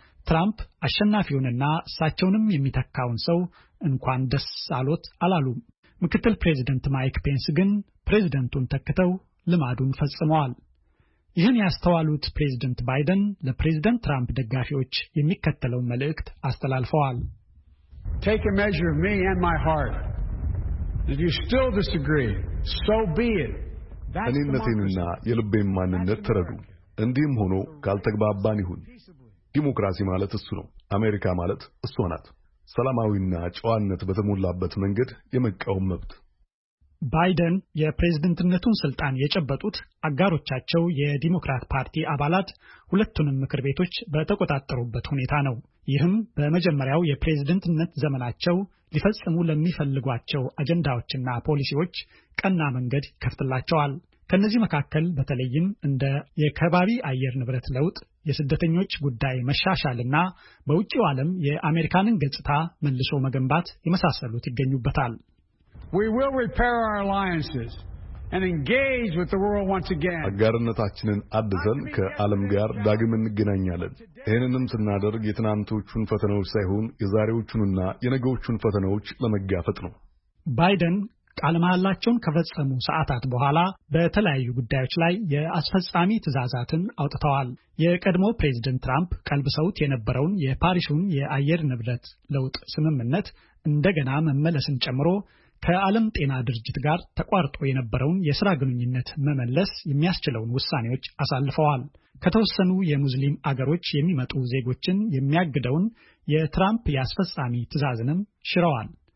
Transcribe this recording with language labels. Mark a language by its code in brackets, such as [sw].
[am] ትራምፕ አሸናፊውንና እሳቸውንም የሚተካውን ሰው እንኳን ደስ አሎት አላሉም። ምክትል ፕሬዝዳንት ማይክ ፔንስ ግን ፕሬዝዳንቱን ተክተው ልማዱን ፈጽመዋል። ይህን ያስተዋሉት ፕሬዝዳንት ባይደን ለፕሬዝዳንት ትራምፕ ደጋፊዎች የሚከተለውን መልእክት አስተላልፈዋል። [en] Take a measure of me and my heart. If you still disagree, so be it. [am] እንነቴና የልቤን ማንነት ተረዱ። እንዲም ሆኖ ካልተግባባን ይሁን። ዲሞክራሲ ማለት እሱ ነው። አሜሪካ ማለት እሱ ናት። ሰላማዊና ጨዋነት በተሞላበት መንገድ የመቀወም መብት። ባይደን የፕሬዝዳንትነቱን ስልጣን የጨበጡት አጋሮቻቸው የዲሞክራት ፓርቲ አባላት ሁለቱንም ምክር ቤቶች በተቆጣጠሩበት ሁኔታ ነው። ይህም በመጀመሪያው የፕሬዝዳንትነት ዘመናቸው ሊፈጽሙ ለሚፈልጓቸው አጀንዳዎችና ፖሊሲዎች ቀና መንገድ ከፍትላቸዋል። ከነዚህ መካከል በተለይም እንደ የከባቢ አየር ንብረት ለውጥ የስደተኞች ጉዳይ መሻሻልና በውጪው ዓለም የአሜሪካንን ገጽታ መልሶ መገንባት የመሳሰሉት ይገኙበታል። [en] We will repair our alliances and engage with the world once again. [am] አጋርነታችንን አድሰን ከዓለም ጋር ዳግም እንገናኛለን። ይህንንም ስናደርግ የትናንቶቹን ፈተናዎች ሳይሆን የዛሬዎቹንና የነገዎቹን ፈተናዎች ለመጋፈጥ ነው። ባይደን ቃለ መሐላቸውን ከፈጸሙ ሰዓታት በኋላ በተለያዩ ጉዳዮች ላይ የአስፈጻሚ ትዕዛዛትን አውጥተዋል። የቀድሞ ፕሬዝደንት ትራምፕ ቀልብሰውት የነበረውን የፓሪሱን የአየር ንብረት ለውጥ ስምምነት እንደገና መመለስን ጨምሮ ከዓለም ጤና ድርጅት ጋር ተቋርጦ የነበረውን የሥራ ግንኙነት መመለስ የሚያስችለውን ውሳኔዎች አሳልፈዋል። ከተወሰኑ የሙስሊም አገሮች የሚመጡ ዜጎችን የሚያግደውን የትራምፕ ያስፈጻሚ ትዕዛዝንም ሽረዋል።